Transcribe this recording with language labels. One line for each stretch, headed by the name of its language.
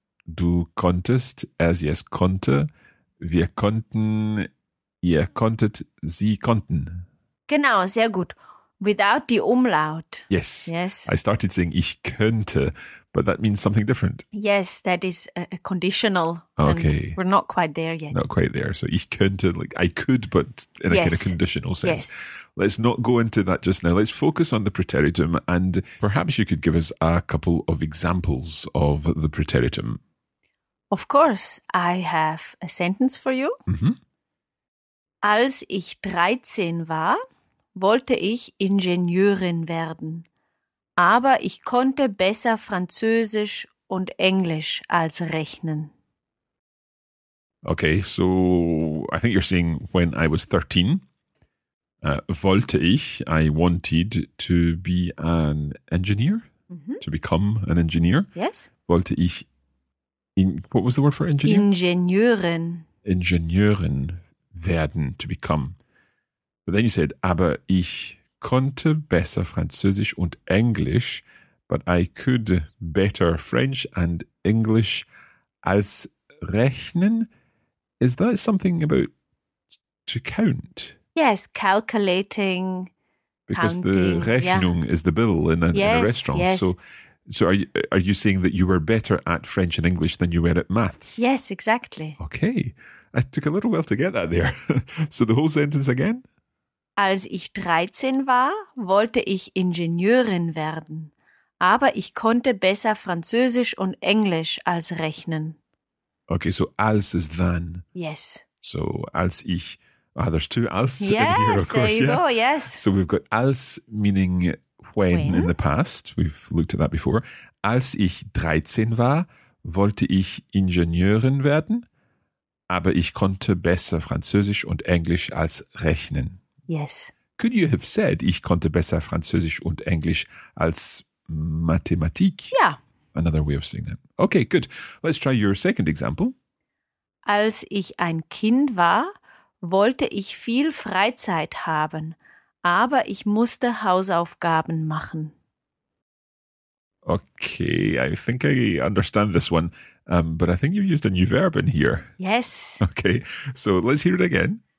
German: Du konntest, er, sie, es konnte, wir konnten, ihr konntet, sie konnten. Genau, sehr gut.
English: Without the Umlaut. Yes. Yes. I started saying
German: ich könnte,
English: but that means something different. Yes, that is a conditional. Okay. We're not quite there yet. Not quite there. So
German: ich könnte,
English: like I could, but in a kind of conditional sense. Yes. Let's not go into that just now. Let's focus on the preteritum. And perhaps you could give us a couple of examples of the preteritum. Of course, I have a sentence for you. Mm-hmm.
German: Als ich 13 war, wollte ich Ingenieurin werden. Aber ich konnte besser Französisch und Englisch als rechnen.
English: Okay, so I think you're saying when I was 13,
German: wollte ich,
English: I wanted to be an engineer, to become an engineer. Yes.
German: Wollte ich
English: what was the word for engineer?
German: Ingenieurin. Ingenieurin werden, to become.
English: But then you said,
German: aber ich konnte besser Französisch und Englisch,
English: but I could better French and English
German: als rechnen.
English: Is that something about to count? Yes, calculating, because counting. The Rechnung is the bill in a restaurant. Yes. So are you saying that you were better at French and English than you were at maths? Yes, exactly. Okay. I took a little while to get that there. So the whole sentence again?
German: Als ich 13 war, wollte ich Ingenieurin werden. Aber ich konnte besser Französisch und Englisch als rechnen.
English: Okay, so als is than. Yes. So
German: als ich,
English: there's two als yes, in here, of course. There you yeah? go, yes. So we've got als meaning when in the past. We've looked at that before.
German: Als ich 13 war, wollte ich Ingenieurin werden. Aber ich konnte besser Französisch und Englisch als rechnen.
English: Yes. Could you have said,
German: ich konnte besser Französisch und Englisch als Mathematik?
English: Yeah. Another way of saying that. Okay, good. Let's try your second example.
German: Als ich ein Kind war, wollte ich viel Freizeit haben, aber ich musste Hausaufgaben machen.
English: Okay, I think I understand this one, but I think you used a new verb in here. Yes. Okay, so let's hear it again.